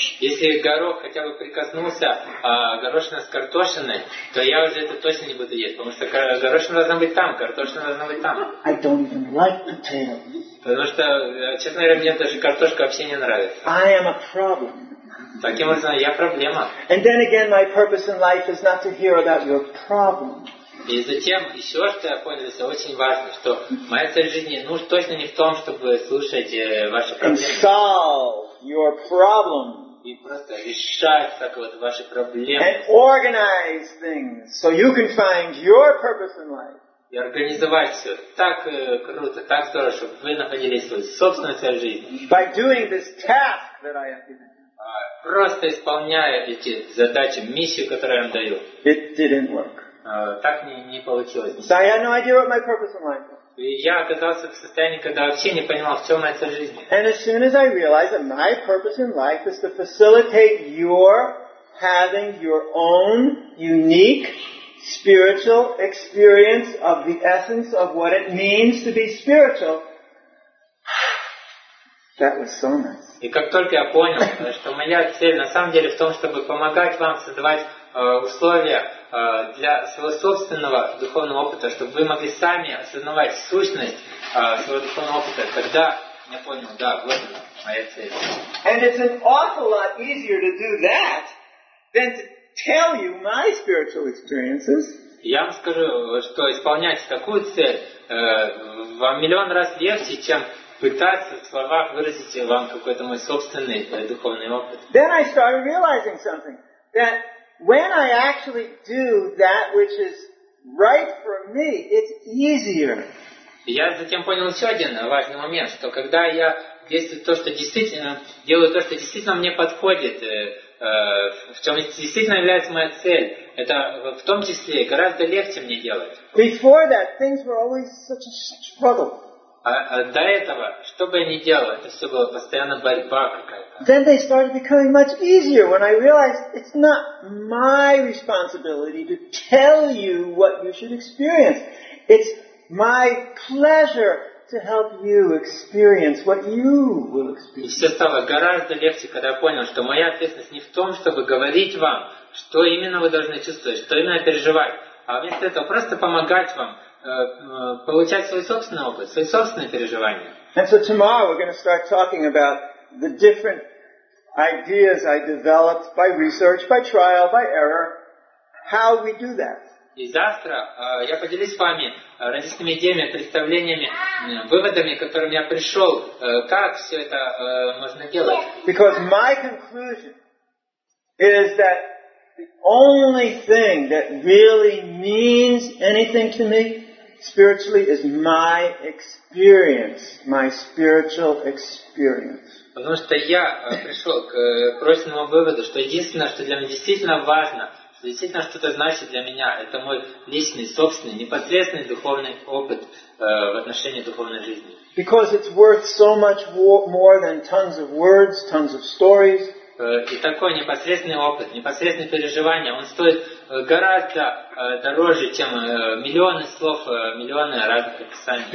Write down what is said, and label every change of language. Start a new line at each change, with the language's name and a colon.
Russian: Если горох хотя бы прикоснулся горошина с картошиной, то я уже это точно не буду есть, потому что горошина должна быть там, картошина должна быть там.
English: I don't even like potatoes.
Russian: Потому что, честно говоря, мне даже картошка вообще не нравится.
English: I am a problem.
Russian: Таким образом, я проблема.
English: And then again, my purpose in life is not to hear about your problem.
Russian: И затем, еще что я понял, это очень важно, что моя цель в жизни, ну, точно не в том, чтобы слушать ваши проблемы.
English: And solve your problem.
Russian: И просто решать так вот ваши проблемы.
English: And organize things, so you can find your purpose in life.
Russian: И организовать все так круто, так здорово, чтобы вы находили свою собственную цель в жизни.
English: By doing this task that I have given.
Russian: Просто исполняя эти задачи, миссию, которую я вам даю.
English: It didn't work.
Russian: Так не получилось.
English: So I had no idea what my purpose in life was.
Russian: И я оказался в состоянии, когда вообще не понимал, в чем моя цель жизни.
English: And as soon as I realized that my purpose in life is to facilitate your having your own unique spiritual experience of the essence of what it means to be spiritual. That was so nice.
Russian: И как только я понял, что моя цель на самом деле в том, чтобы помогать вам создавать условия для своего собственного духовного опыта, чтобы вы могли сами осознавать сущность своего духовного опыта, тогда я понял, да, вот она, моя цель.
English: And it's an awful lot easier to do that than to tell you my spiritual experiences.
Russian: Я вам скажу, что исполнять такую цель вам миллион раз легче, чем пытаться в словах выразить вам какой-то мой собственный духовный опыт.
English: Then I started realizing something, that when I actually do that which is right for me, it's easier.
Russian: Я затем понял еще один важный момент, что когда я делаю то, что действительно мне подходит, в чем действительно является моя цель, это в том числе гораздо легче мне делать.
English: Before that, things were always such a struggle.
Russian: А до этого, что бы я ни делал, это все было постоянно борьба какая-то.
English: Then they started becoming much easier when I realized it's not my responsibility to tell you what you should experience. It's my pleasure to help you experience what you will experience.
Russian: И все стало гораздо легче, когда я понял, что моя ответственность не в том, чтобы говорить вам, что именно вы должны чувствовать, что именно переживать, а вместо этого просто помогать вам получать свой собственный опыт, свои собственные переживания.
English: And so tomorrow we're going to start talking about the different ideas I developed by research, by trial, by error, how we do that.
Russian: И завтра я поделюсь с вами различными идеями, представлениями, выводами, к которым я пришел, как все это можно делать.
English: Because my conclusion is that the only thing that really means anything to me spiritually is my experience, my spiritual experience.
Russian: Потому что я пришел к прочному выводу, что единственное, что для меня действительно важно, что действительно что-то значит для меня, это мой личный, собственный, непосредственный духовный опыт в отношении духовной жизни.
English: Because it's worth so much more than tons of words, tons of stories.
Russian: И такой непосредственный опыт, непосредственные переживания, он стоит гораздо дороже, чем миллионы слов, миллионы разных описаний.